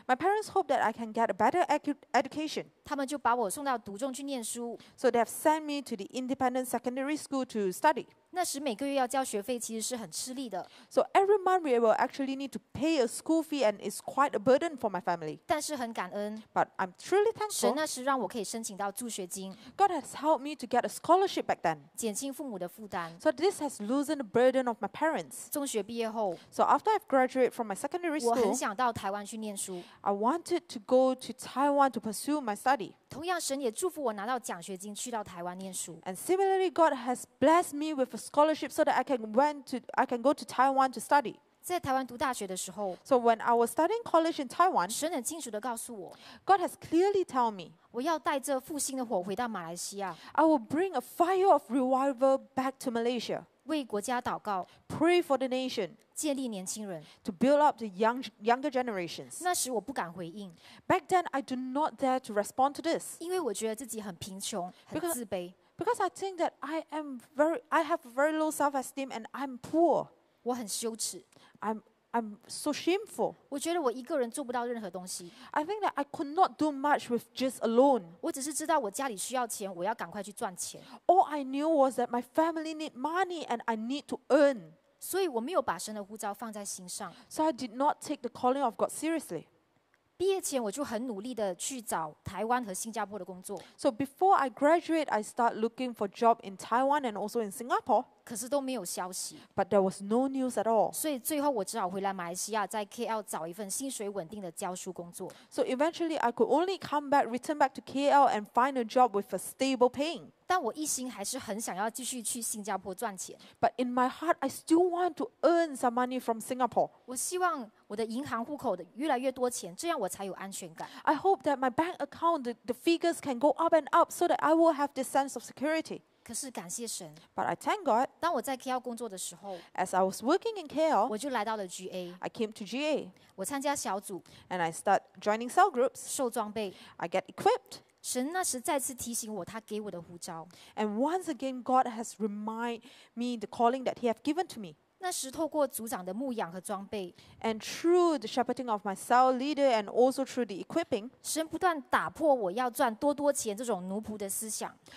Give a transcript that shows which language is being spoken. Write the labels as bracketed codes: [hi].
[en] My parents hope that I can get a better education。 [zh] 他们就把我送到独中去念书。 [en] So they have sent me to the independent secondary school to study。 [zh] 那时每个月要交学费其实是很吃力的。 [en] So every month we will actually need to pay a school fee and it's quite a burden for my family。 [zh] 但是很感恩。 [en] But I'm truly thankful。 [zh] 神那时让我可以申请到助学金。 [en] God has helped me to get a scholarship back then。 [zh] 减轻父母的负担。 [en] So this has loosened the burden of my parents。 [zh] 中学毕业后。 [en] So after I've graduated from my secondary school。 [zh] 我很想到台湾去念书。 [en] I wanted to go to Taiwan to pursue my study。 [zh] 同样，神也祝福我拿到奖学金去到台湾念书。 [en] And similarly, God has blessed me with a scholarship so that I can go to Taiwan to study. [zh] 在台湾读大学的时候 [en] ，So when I was studying college in Taiwan, [zh] 神很清楚地告诉我 [en] ，God has clearly told me, [zh] 我要带着复兴的火回到马来西亚。 [en] I will bring a fire of revival back to Malaysia. [zh] 为国家祷告 [en] ，Pray for the nation. [zh] 建立年轻人 [en] to build up the younger generations. [zh] 那时我不敢回应 [en] Back then, I do not dare to respond to this. [zh] 因为我觉得自己很贫穷，很自卑 [en] Because I think that I have very low self-esteem and I'm poor. [zh] 我很羞耻 [en] I'm so shameful. [zh] 我觉得我一个人做不到任何东西 [en] I think that I could not do much with just alone. [zh] 我只是知道我家里需要钱，我要赶快去赚钱 [en] All I knew was that my family need money and I need to earn. [zh] 所以我没有把神的呼召放在心上。 [en] So I did not take the calling of God seriously. [zh] 毕业前我就很努力地去找台湾和新加坡的工作。 [en] So before I graduate, I start looking for job in Taiwan and also in Singapore. [zh] 可是都没有消息。 [en] But there was no news at all. [zh] 所以最后我只好回来马来西亚，在 KL 找一份薪水稳定的教书工作。 [en] So eventually, I could only return back to KL and find a job with a stable paying. [zh] 但我一心还是很想要继续去新加坡赚钱。 [en] But in my heart, I still want to earn some money from Singapore. [zh] 我希望我的银行户口的越来越多钱，这样我才有安全感。 [en] I hope that my bank account, the figures can go up and up so that I will have this sense of security. [zh] 可是感谢神。 [en] But I thank God. [zh] 当我在 KL 工作的时候 [en] ，As I was working in KL, [zh] 我就来到了 GA. [en] I came to GA. [zh] 我参加小组 [en] ，And I start joining cell groups. [zh] 受装备 [en] ，I get equipped. [zh] 神那时再次提醒我他给我的呼召 [en] And once again God has reminded me the calling that he has given to me [zh] 那时透过组长的牧养和装备 [en] And through the shepherding of my cell leader and also through the equipping [zh] 神不断打破我要赚多多钱这种奴仆的思想